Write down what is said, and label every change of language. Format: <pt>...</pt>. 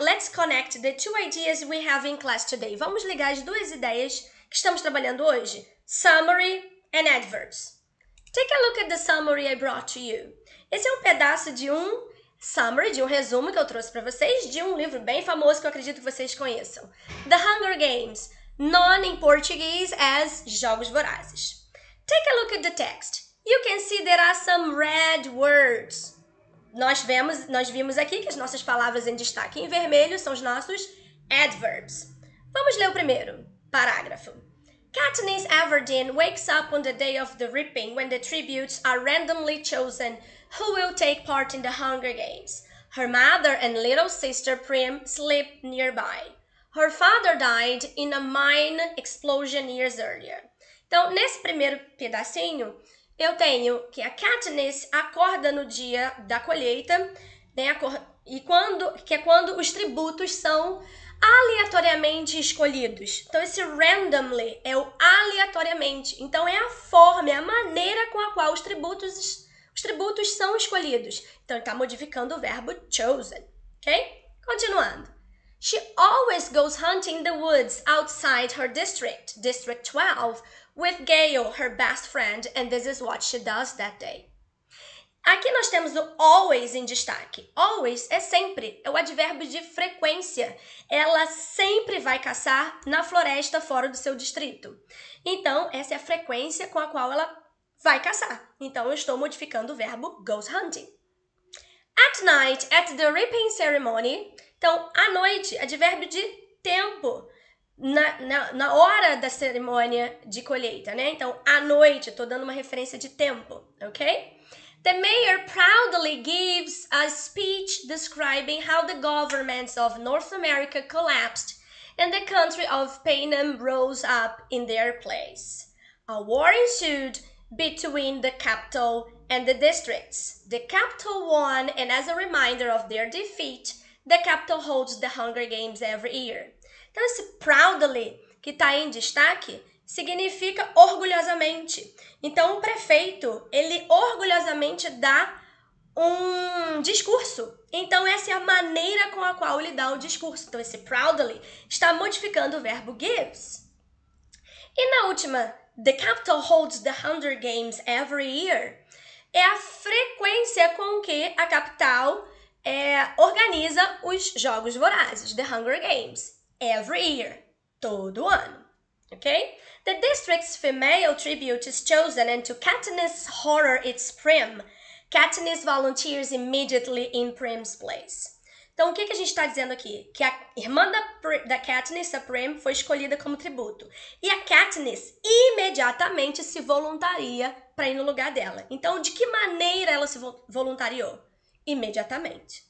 <en>Let's connect the two ideas we have in class today.</en> <pt>Vamos ligar as duas ideias que estamos trabalhando hoje:</pt> <en>summary and adverbs. Take a look at the summary I brought to you.</en> <pt>Esse é um pedaço de um summary, de um resumo que eu trouxe para vocês, de um livro bem famoso que eu acredito que vocês conheçam: The Hunger Games,</pt> <en>known in Portuguese as</en> <pt>Jogos Vorazes.</pt> <en>Take a look at the text. You can see there are some red words.</en> <pt>Nós vimos aqui que as nossas palavras em destaque em vermelho são os nossos adverbs. Vamos ler o primeiro parágrafo.</pt> <en>Katniss Everdeen wakes up on the day of the reaping when the tributes are randomly chosen who will take part in the Hunger Games. Her mother and little sister Prim sleep nearby. Her father died in a mine explosion years earlier.</en> <pt>Então, nesse primeiro pedacinho, eu tenho que a Katniss acorda no dia da colheita, né? Que é quando os tributos são aleatoriamente escolhidos. Então, esse randomly é o aleatoriamente. Então, é a forma, é a maneira com a qual os tributos são escolhidos. Então, ele está modificando o verbo chosen, ok? Continuando.</pt> <en>She always goes hunting in the woods outside her district, District 12, with Gail, her best friend, and this is what she does that day.</en> <pt>Aqui nós temos o always em destaque. Always é sempre, é o advérbio de frequência. Ela sempre vai caçar na floresta fora do seu distrito. Então, essa é a frequência com a qual ela vai caçar. Então, eu estou modificando o verbo goes hunting.</pt> <en>At night, at the reaping ceremony.</en> <pt>Então, à noite, advérbio de tempo. Na hora da cerimônia de colheita, né? Então, à noite, estou dando uma referência de tempo, ok?</pt> <en>The mayor proudly gives a speech describing how the governments of North America collapsed and the country of Panem rose up in their place. A war ensued between the capital and the districts. The capital won, and as a reminder of their defeat, the capital holds the Hunger Games every year.</en> <pt>Então, esse proudly, que está em destaque, significa orgulhosamente. Então, o prefeito, ele orgulhosamente dá um discurso. Então, essa é a maneira com a qual ele dá o discurso. Então, esse proudly está modificando o verbo gives. E na última,</pt> <en>the capital holds the Hunger Games every year,</en> <pt>é a frequência com que a capital organiza os Jogos Vorazes, the Hunger Games.</pt> <en>Every year,</en> <pt>todo ano, ok?</pt> <en>The district's female tribute is chosen, and to Katniss' horror, it's Prim. Katniss volunteers immediately in Prim's place.</en> <pt>Então, o que que a gente está dizendo aqui? Que a irmã da Katniss, a Prim, foi escolhida como tributo. E a Katniss imediatamente se voluntaria para ir no lugar dela. Então, de que maneira ela se voluntariou? Imediatamente.</pt>